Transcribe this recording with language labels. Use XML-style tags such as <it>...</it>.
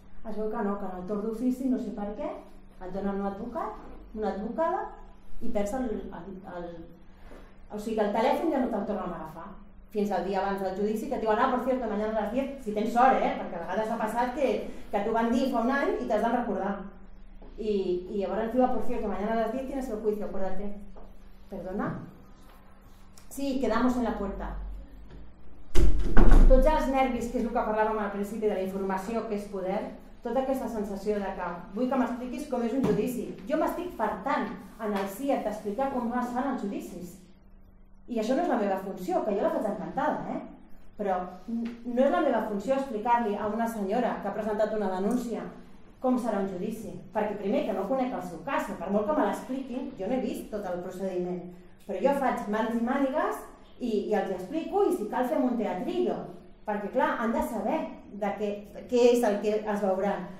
<ca>Es veu que no, que en el torn d'ofici, no sé per què, et donen un advocat, una advocada, i perds el telèfon ja no te'l tornen a agafar fins al dia abans del judici, que et diuen,</ca> <es>ah, por cierto, mañana a las 10,</es> <ca>si tens sort, perquè a vegades ha passat que t'ho van dir fa un any i t'has de recordar. I llavors et diu,</ca> <es>por cierto, mañana a las 10 tienes el juicio, acuérdate. Perdona? Sí, quedamos en la puerta.</es> <ca>Tots els nervis, que és el que parlàvem al principi de la informació, que és poder, tota aquesta sensació de que vull que m'expliquis com és un judici. Jo m'estic fartant en el CIAT d'explicar com es fan els judicis. I això no és la meva funció, que jo la faig encantada, però no és la meva funció explicar-li a una senyora que ha presentat una denúncia com serà un judici, perquè primer que no conec el seu cas, per molt que me l'expliquin, jo no he vist tot el procediment, però jo faig mans i mànigues i els explico, i si cal fem un teatrillo, perquè clar, han de saber de què és el que es veurà.</ca>